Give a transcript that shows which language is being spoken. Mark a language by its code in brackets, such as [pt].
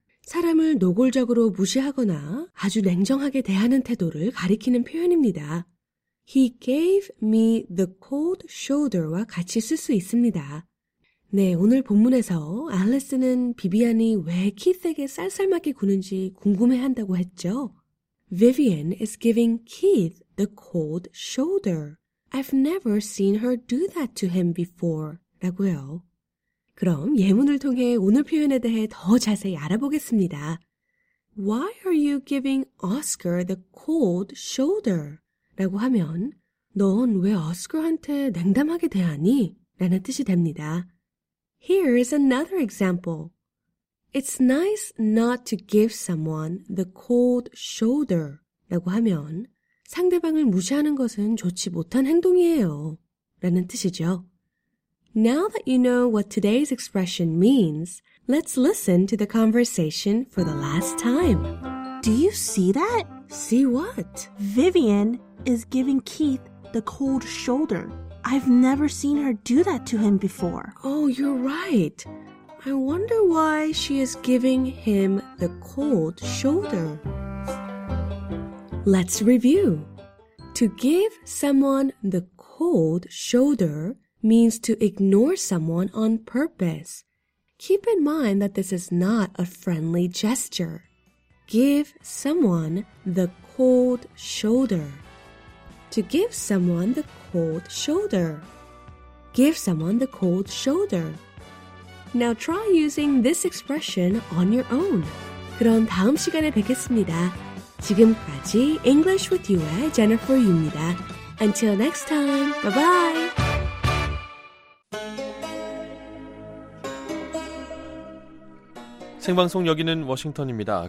[ko] 사람을 노골적으로 무시하거나 아주 냉정하게 대하는 태도를 가리키는 표현입니다. [en] He gave me the cold shoulder [ko] 와 같이 쓸 수 있습니다. 네, 오늘 본문에서 앨리스는 비비안이 왜 키스에게 쌀쌀맞게 구는지 궁금해한다고 했죠. [en] Vivian is giving Keith the cold shoulder. I've never seen her do that to him before. [ko] 라고요. 그럼 예문을 통해 오늘 표현에 대해 더 자세히 알아보겠습니다. [en] Why are you giving Oscar the cold shoulder? [ko] 라고 하면 넌 왜 Oscar한테 냉담하게 대하니? 라는 뜻이 됩니다. [en] Here is another example. It's nice not to give someone the cold shoulder. [ko] 라고 하면 상대방을 무시하는 것은 좋지 못한 행동이에요. 라는 뜻이죠. [en] Now that you know what today's expression means, let's listen to the conversation for the last time. Do you see that? See what? Vivian is giving Keith the cold shoulder. I've never seen her do that to him before. Oh, you're right. I wonder why she is giving him the cold shoulder. Let's review. To give someone the cold shoulder means to ignore someone on purpose. Keep in mind that this is not a friendly gesture. Give someone the cold shoulder. To give someone the cold shoulder. Give someone the cold shoulder. Now try using this expression on your own. [ko] 그럼 다음 시간에 뵙겠습니다. 지금까지 English with You의 Jennifer Yu입니다. [en] Until next time, bye-bye! [ko] Sing방송 여기는 워싱턴입니다.